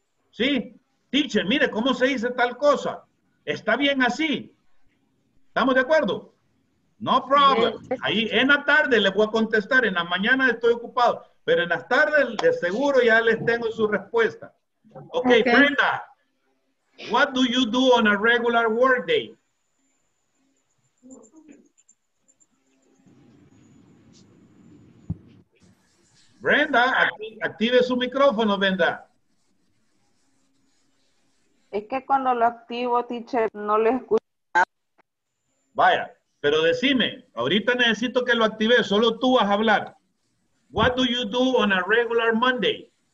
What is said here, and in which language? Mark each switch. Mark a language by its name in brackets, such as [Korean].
[Spanish] ¿Sí? Teacher, mire, ¿cómo se dice tal cosa? ¿Está bien así? ¿Estamos de acuerdo? [English] No problem. [Spanish] Ahí en la tarde les voy a contestar. En la mañana estoy ocupado. Pero en las tardes, de seguro, ya les tengo su respuesta. [English] Okay, okay, Brenda. What do you do on a regular work day? [Spanish] Brenda, active su micrófono, Brenda. Es que cuando lo activo, teacher, no le escucho nada. Vaya, pero decime, ahorita necesito que lo active, solo tú vas a hablar. [English] What do you do on a regular Monday?